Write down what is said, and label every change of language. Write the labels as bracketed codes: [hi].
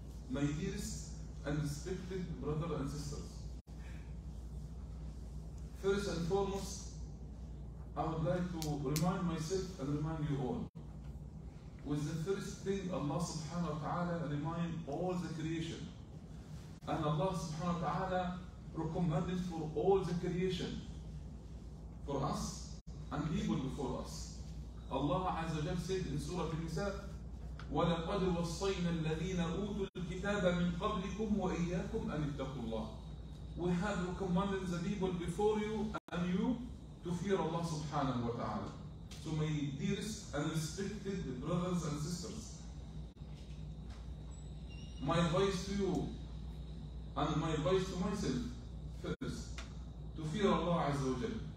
[en] My dearest and respected brothers and sisters, first and foremost, I would like to remind myself and remind you all with the first thing Allah subhanahu wa ta'ala remind all the creation. And Allah subhanahu wa ta'ala recommended for all the creation, for us and people before us. Allah Azza wa Jalla said in Surah An-Nisa, [ar] وَلَقَدْ وَصَّيْنَا الَّذِينَ أُوتُوا الْكِتَابَ مِنْ قَبْلِكُمْ وَإِيَّاكُمْ أَنْ اتَّقُوا اللَّهِ. [en] We have recommended the people before you and you to fear Allah subhanahu wa ta'ala. So my dearest and respected brothers and sisters, my advice to you and my advice to myself first, to fear Allah Azza wa Jal.